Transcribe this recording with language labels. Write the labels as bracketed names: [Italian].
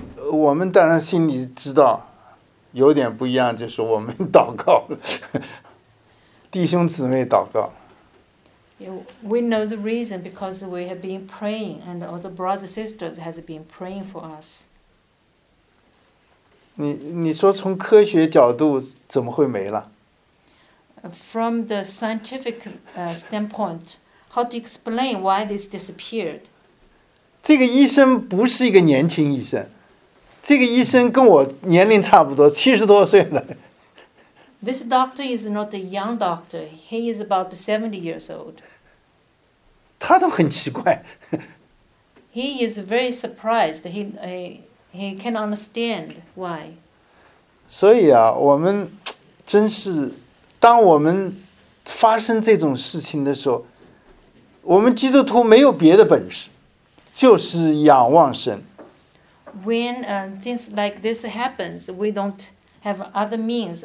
[Chinese] 我们当然心里知道有点不一样，就是我们祷告弟兄姊妹祷告。 [English] We know the reason because we have been praying and all the brothers and sisters have been praying for us. [Chinese] 你说从科学角度怎么会没了？ [English] From the scientific standpoint, how to explain why this disappeared? [Chinese] 这个医生不是一个年轻医生，这个医生跟我年龄差不多，70多岁的。 [English] This doctor is not a young doctor. He is about 70 years old. [Chinese] 他都很奇怪。 [English] He is very surprised. He can't understand why. [Chinese] 所以啊，我们真是，当我们发生这种事情的时候，我们基督徒没有别的本事。就是仰望神。 [English] When things like this happens, we don't have other means.